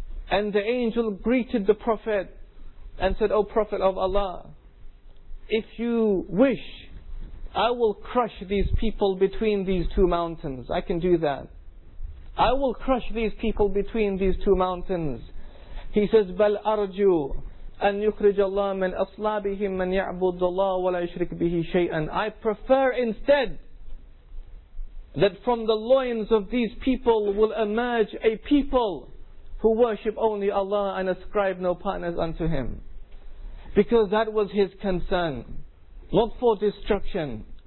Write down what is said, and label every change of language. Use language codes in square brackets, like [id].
[en] And the angel greeted the Prophet and said, O Prophet of Allah, if you wish, I will crush these people between these two mountains. I can do that. I will crush these people between these two mountains. He says, [ar] بَلْ أَرْجُوا أَنْ يُخْرِجَ اللَّهَ مِنْ أَصْلَابِهِمْ مَنْ يَعْبُدُ اللَّهَ وَلَا يُشْرِكْ بِهِ شَيْئًا. [en] I prefer instead that from the loins of these people will emerge a people who worship only Allah and ascribe no partners unto Him. Because that was his concern. Not for destruction.